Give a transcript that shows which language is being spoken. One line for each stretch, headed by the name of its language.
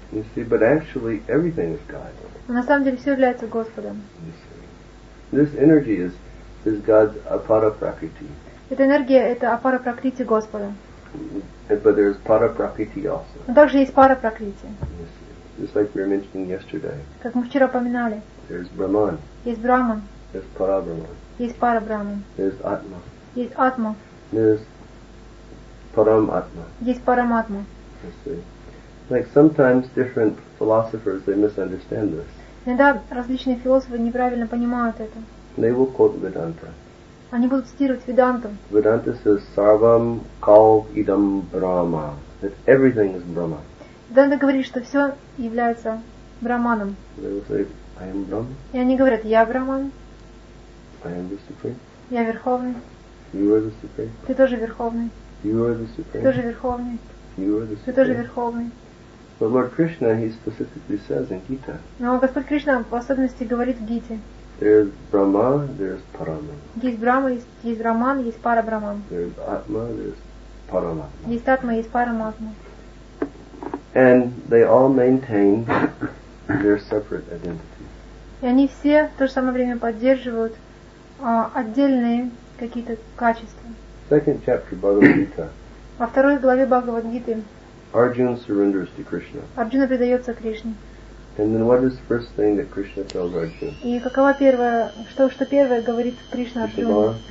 English: You see, but actually everything is God.
Russian: Но на самом деле все является Господом.
English: This energy is God's apara prakriti.
Russian: Эта энергия — это апара пракрити Господа.
English: But there is para prakriti also.
Russian: Но также есть пара пракрити.
English: Just like we were mentioning yesterday.
Russian: Как мы вчера упоминали.
English: There's Brahman.
Russian: Есть Брахман.
English: There's para Brahman.
Russian: Есть пара Брахман.
English: There's Atma.
Russian: Есть Атма. Есть Параматма. Есть Параматма.
English: Like sometimes different philosophers they misunderstand this.
Russian: Иногда различные философы неправильно понимают это.
English: They will quote Vedanta.
Russian: Они будут цитировать Веданту.
English: Vedanta says
Sanskrit: Sarvam Kal Idam Brahma.
English: That everything is Brahma.
Russian: Веданта говорит, что все является Брахманом.
English: They will say, I am Brahma.
Russian: И они говорят, я Брахман.
English: I am the Supreme.
Russian: Я Верховный.
English: You are the Supreme.
Russian: Ты тоже верховный.
English: You are the Supreme.
Russian: Ты тоже верховный.
English: You are the Supreme.
Russian: Ты тоже верховный.
English: But Lord Krishna, he specifically says in Gita.
Russian: Но Господь Кришна в особенности говорит в Гите.
English: There is Brahma, there is Paraman.
Russian: Есть Брахма, есть Брахман, есть Парабрахман.
English: There is Atma, there is Paramatma.
Russian: Есть Атма, есть Параматма.
English: And they all maintain their separate identity.
Russian: И они все в то же самое время поддерживают отдельные какие-то качества.
English: Second chapter, Bhagavad Gita.
Russian: Во второй главе Бхагавад Гиты.
English: Arjuna surrenders to Krishna.
Russian: Арджуна предается Кришне.
English: And then what is the first thing that Krishna tells Arjuna?
Russian: И какова первое, что первое говорит Кришна Арджуне?